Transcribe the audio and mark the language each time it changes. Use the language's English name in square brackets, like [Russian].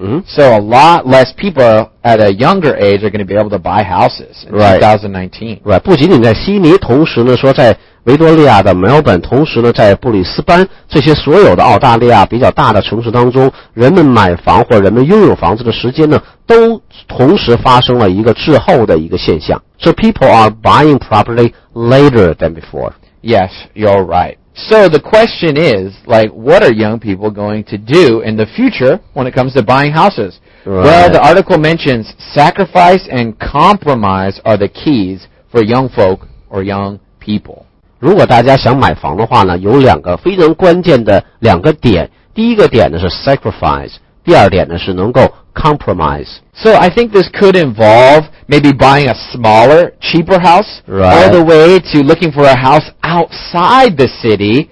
[English] So a lot less people at a younger age are going to be able to buy houses in 2019. [Chinese] Right. 不仅仅在悉尼，同时呢说在维多利亚的 Melbourne， 同时呢在布里斯班，这些所有的澳大利亚比较大的城市当中，人们买房或人们拥有房子的时间呢都同时发生了一个滞后的一个现象。 [English] So people are buying property later than before Yes, you're right. So the question is, like, what are young people going to do in the future when it comes to buying houses? Right. Well, the article mentions sacrifice and compromise are the keys for young folk or young people. [Chinese] 如果大家想买房的话呢，有两个非常关键的两个点。第一个点呢是 sacrifice， 第二点呢是能够 compromise. [English] So I think this could involveMaybe buying a smaller, cheaper house, right. All the way to looking for a house outside the city.